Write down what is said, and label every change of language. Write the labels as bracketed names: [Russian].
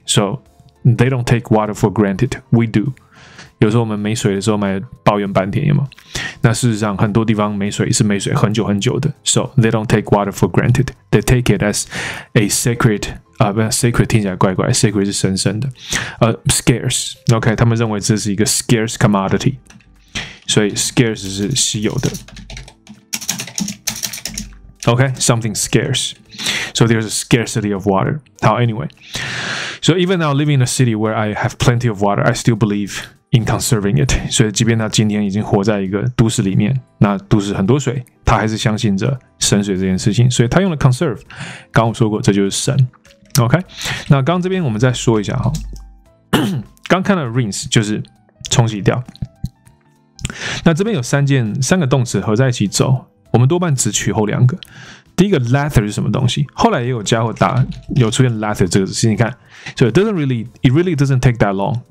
[English] So they don't take water for granted, we do. [Chinese] 有时候我们没水的时候，还抱怨半天，有吗？那事实上很多地方没水是没水很久很久的。 [English] So they don't take water for granted, they take it as a sacred. [Chinese] Sacred 听起来怪怪 ，sacred 是神圣的。Scarce, OK, 他们认为这是一个 [English] scarce commodity. [Chinese] 所以 scarce 是稀有的 ，OK, [English] something scarce. So there's a scarcity of water. [Chinese] 好 [English] ，anyway. So even now living in a city where I have plenty of water, I still believe in conserving it. [Chinese] 所以即便他今天已经活在一个都市里面，那都市很多水，他还是相信着省水这件事情。所以他用了 conserve. 刚我说过，这就是省。OK. 那刚这边我们再说一下哈，刚看到 rinse 就是冲洗掉。那这边有三个动词合在一起走，我们多半只取后两个。第一个 lather 是什么东西？后来也有家伙打，有出现 lather 这个词。你看，所以 [English] it really doesn't take that long.